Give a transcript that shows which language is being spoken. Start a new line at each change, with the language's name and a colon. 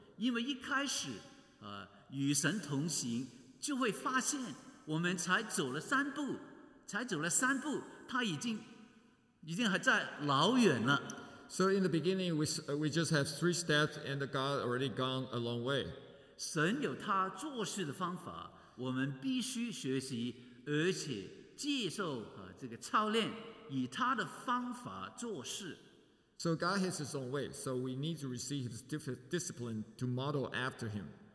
Chinese: 因为一开始与神同行就会发现我们才走了三步才走了三步他已经还在老远了。
English: So in the beginning, we just have three steps and God already gone a long way.
Chinese: 神有他做事的方法我们必须学习而且接受这个操练以他的方法做事。
English: So God has his own way, so we need to receive his discipline to model after him.